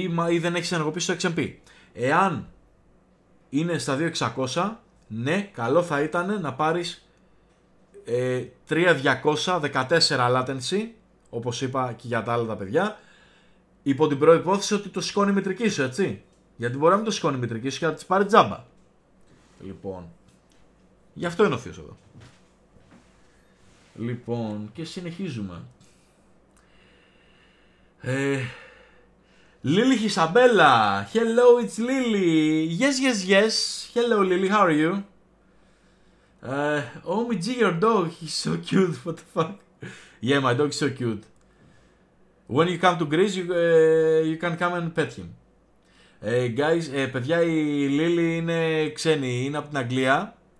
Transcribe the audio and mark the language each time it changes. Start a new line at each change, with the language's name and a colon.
Greek: Ή δεν έχεις ενεργοποιήσει το XMP. Εάν είναι στα 2600, ναι, καλό θα ήταν να πάρεις 3200, 14 latency, όπως είπα και για τα άλλα τα παιδιά, υπό την προϋπόθεση ότι το σηκώνει η μητρική σου, έτσι. Γιατί μπορεί να μην το σηκώνει η μητρική σου και να τις πάρει τζάμπα. Λοιπόν, γι' αυτό είναι ο θείος εδώ. Λοιπόν, και συνεχίζουμε.
English: Λίλι Χισαμπέλα, hello, it's Lily. Yes. Hello, Lily, how are you? OMG, your dog, he's so cute, what the fuck? Yeah, my dog is so cute. When you come to Greece, you can come and pet him.
Greek: Guys, παιδιά, η Lily είναι ξένη, είναι από την Αγγλία.